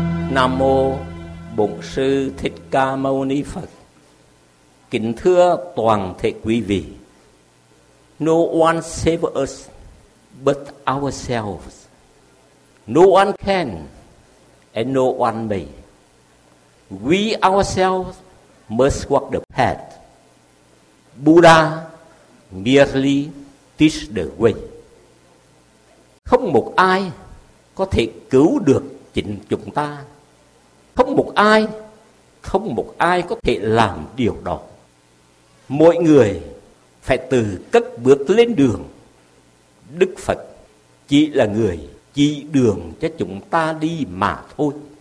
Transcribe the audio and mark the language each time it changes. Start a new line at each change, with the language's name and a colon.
Vietnamese: Nam mô Bổn sư Thích Ca Mâu Ni Phật. Kính thưa toàn thể quý vị.
English: No one save us but ourselves. No one can and no one may. We ourselves must walk the path. Buddha merely teach the way.
Vietnamese: Không một ai có thể cứu được chính chúng ta. Không một ai có thể làm điều đó. Mỗi người phải tự cất bước lên đường. Đức Phật chỉ là người chỉ đường cho chúng ta đi mà thôi.